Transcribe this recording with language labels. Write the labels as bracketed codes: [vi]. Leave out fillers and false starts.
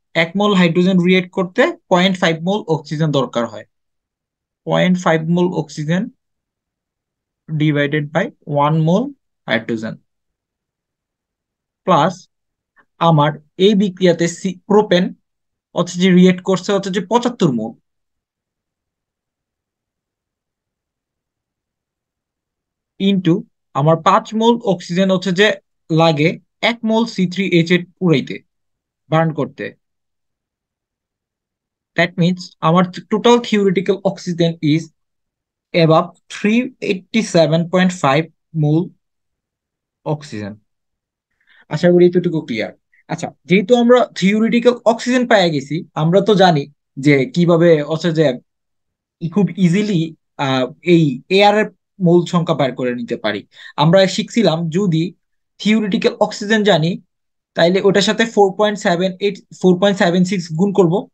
[bn] 1 মোল hydrogen react করতে 0.5 মোল oxygen দরকার হয়, 0.5 মোল oxygen divided by 1 mole hydrogen plus আমার এই বিক্রিয়াতে প্রোপেন হচ্ছে যে রিয়েক্ট করছে হচ্ছে যে 75 মোল। ইন্টু আমার 5 মোল অক্সিজেন হচ্ছে যে লাগে 1 মোল C3H8 পুরাইতে, বার্ন করতে। [en] That means our total theoretical oxygen is above 387.5 mole oxygen. [bn] আশা করি এতটুকু ক্লিয়ার। আচ্ছা, যেহেতু আমরা থিওরিটিক্যাল অক্সিজেন পাই গেছি, আমরা তো জানি যে কিভাবে হচ্ছে যে খুব ইজিলি এই এয়ারের মোল সংখ্যা বের করে নিতে পারি। আমরা শিখছিলাম যদি থিওরিটিক্যাল অক্সিজেন জানি তাইলে ওটার সাথে 4.786 গুণ করব।